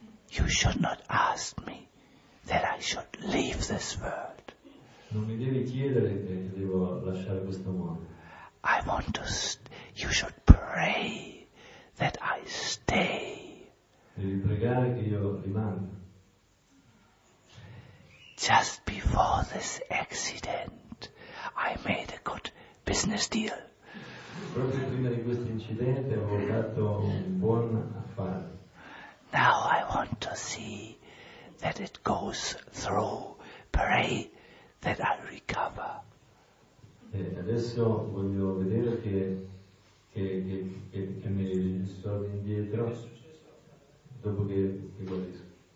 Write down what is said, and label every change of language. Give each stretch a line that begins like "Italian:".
English: You should not ask me that I should leave this world.
Italian: Non mi devi chiedere che devo lasciare questo mondo.
English: I want to you should pray that I stay.
Italian: Devi pregare che io rimanga.
English: Just before this accident, I made a good business deal.
Italian: Proprio prima di questo incidente ho fatto un buon affare.
English: Now I want to see that it goes through. Pray that I recover.
Italian: E adesso voglio vedere che mi sto indietro dopo che mi guarisco.